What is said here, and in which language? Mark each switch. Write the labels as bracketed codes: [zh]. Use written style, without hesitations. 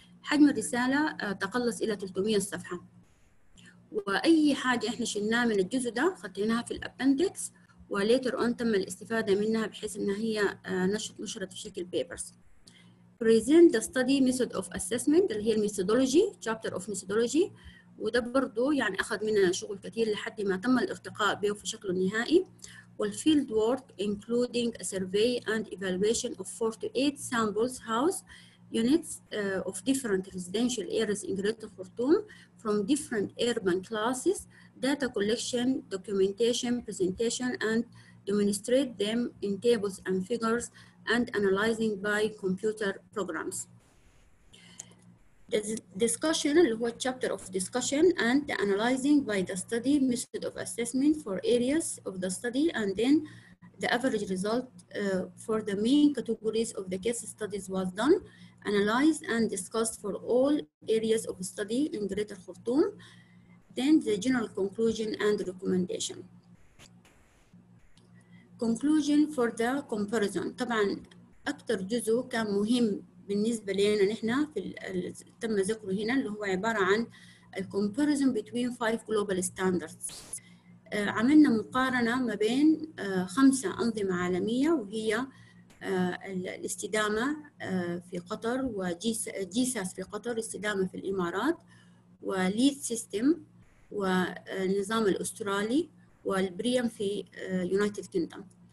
[ar] حجم الرسالة تقلص إلى 300 صفحة. وأي حاجة إحنا شلناها من الجزء ده خطيناها في الأبندكس، وليتر أون تم الاستفادة منها بحيث إنها هي نشرت في شكل بيبرز. [en] Present the study method of assessment [ar] اللي هي الميثودولوجي، [en] chapter of methodology، [ar] وده برضو يعني أخذ منا شغل كثير لحد ما تم الارتقاء به في شكله النهائي. [en] والفيلد work including a survey and evaluation of 4 to 8 samples house units of different residential areas in Greater Khartoum from different urban classes, data collection, documentation, presentation and demonstrate them in tables and figures and analyzing by computer programs. The discussion, what chapter of discussion and the analyzing by the study method of assessment for areas of the study and then the average result for the main categories of the case studies was done, analyzed and discussed for all areas of study in Greater Khartoum, then the general conclusion and recommendation. Conclusion for the comparison. [ar] طبعا أكثر جزء كان مهم بالنسبة لنا نحن في تم ذكره هنا اللي هو عبارة عن [en] comparison between 5 global standards. [ar] عملنا مقارنة ما بين 5 أنظمة عالمية وهي الاستدامة في قطر وجيساس في قطر، الاستدامة في الإمارات وليد سيستم والنظام الأسترالي والبريم في يونايتد كينغدم.